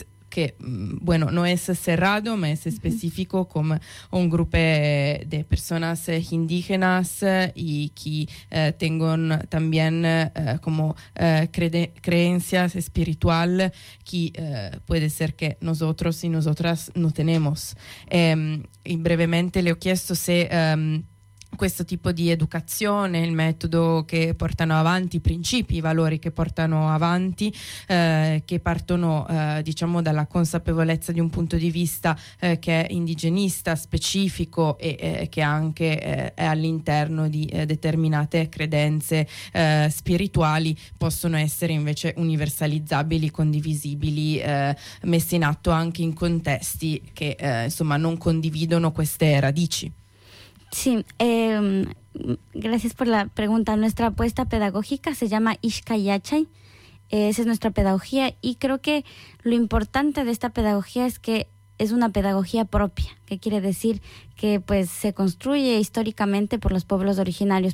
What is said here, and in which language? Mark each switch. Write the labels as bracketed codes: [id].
[es] que, bueno, no es cerrado, pero es específico, como un grupo de personas indígenas y que tengan también como creencias espirituales que puede ser que nosotros y nosotras no tenemos. [it] Y brevemente le he chiesto si questo tipo di educazione, il metodo che portano avanti, i principi, i valori che portano avanti, che partono diciamo dalla consapevolezza di un punto di vista che è indigenista, specifico e che anche è all'interno di determinate credenze spirituali, possono essere invece universalizzabili, condivisibili, messi in atto anche in contesti che insomma non condividono queste radici. [es] Sí, gracias por la pregunta. Nuestra apuesta pedagógica se llama Ixcayachay. Esa es nuestra pedagogía y creo que lo importante de esta pedagogía es que es una pedagogía propia, que quiere decir que pues se construye históricamente por los pueblos originarios.